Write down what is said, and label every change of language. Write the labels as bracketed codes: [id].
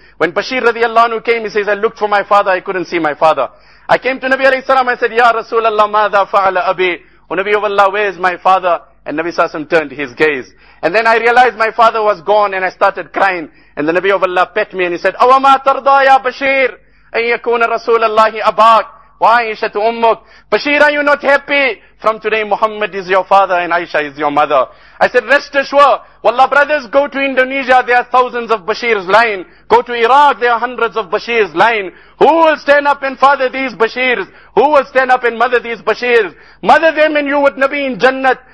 [en] When Bashir radiallahu anhu came, he says, I looked for my father, I couldn't see my father. I came to Nabi alaihi salam, I said, Ya Rasulallah, [ar] madha fa'ala abi? [en] O Nabi of Allah, where is my father? And Nabi sallallahu alaihi wasallam turned his gaze. And then I realized my father was gone, and I started crying. And the Nabi of Allah pet me, and he said, [ar] Awama tarda ya Bashir? أن يكون رسول الله أباك وعائشة أمك [en] Bashir, are you not happy? From today, Muhammad is your father and Aisha is your mother. I said, rest assured. Wallah, brothers, go to Indonesia. There are thousands of Bashir's line. Go to Iraq. There are hundreds of Bashir's line. Who will stand up and father these Bashir's? Who will stand up and mother these Bashir's? Mother them and you with Nabi in Jannat.